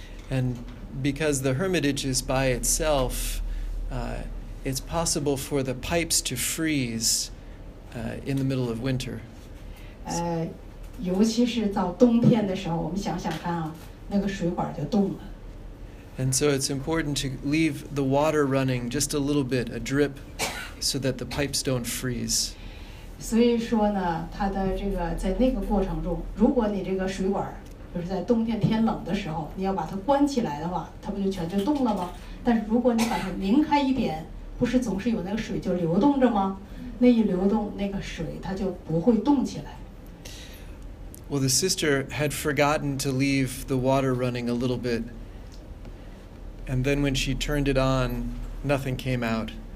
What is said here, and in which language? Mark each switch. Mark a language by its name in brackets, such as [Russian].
[English] And because the hermitage is by itself, it's possible for the pipes to freeze in the middle of winter. [Chinese] 尤其是到冬天的时候 我们想想看啊, 那个水管就冻了。 [English] And so it's important to leave the water running just a little bit, a drip, so that the pipes don't freeze. [Chinese] 所以说呢, 它的这个, 在那个过程中, 如果你这个水管, 就是在冬天天冷的时候, 你要把它关起来的话, 它不就全就冻了吗? 但是如果你把它拧开一点, 不是总是有那个水就流动着吗? 那一流动, 那个水它就不会冻起来。 [English] Well, the sister had forgotten to leave the water running a little bit, and then when she turned it on, nothing came out.